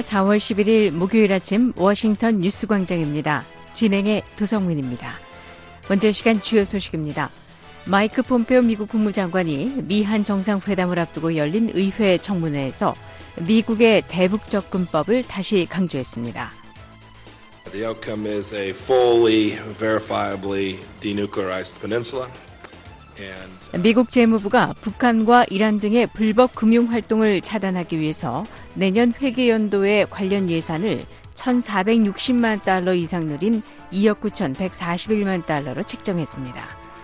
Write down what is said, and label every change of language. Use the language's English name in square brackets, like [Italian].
[Korean] 4월 11일 목요일 아침 워싱턴 뉴스 광장입니다. 진행의 도성민입니다. 먼저 시간 주요 소식입니다. 마이크 폼페오 미국 국무장관이 미한 정상회담을 앞두고 열린 의회 청문회에서 미국의 대북 접근법을 다시 강조했습니다. [English] The outcome is a fully verifiably denuclearized peninsula. [Korean] 미국 재무부가 북한과 이란 등의 불법 금융 활동을 차단하기 위해서 내년 회계 연도에 관련 예산을 1,460만 달러 이상 늘인 2억 9,141만 달러로 책정했습니다.